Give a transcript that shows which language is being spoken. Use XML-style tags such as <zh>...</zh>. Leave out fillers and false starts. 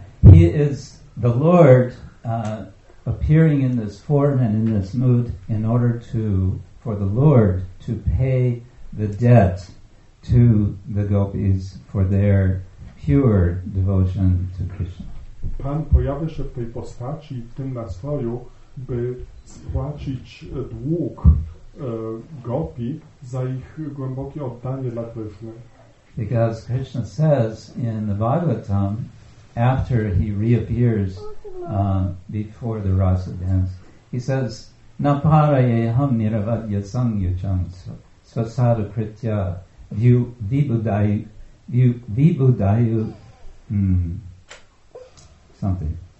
<en>He is the Lord appearing in this form and in this mood in order to, for the Lord to pay the debt to the gopis for their pure devotion to Krishna.</en> <pl>Pan pojawia się w tej postaci, w tym nastroju, by spłacić dług gopi za ich głębokie oddanie dla Krishna.</pl> <en>Because Krishna says in the Bhagavatam, after he reappears before the rasa dance, he says,</en> <sa>Naparayeham niravadya sangyucham svasadu kritya vibhudayu</sa> <en>something.</en>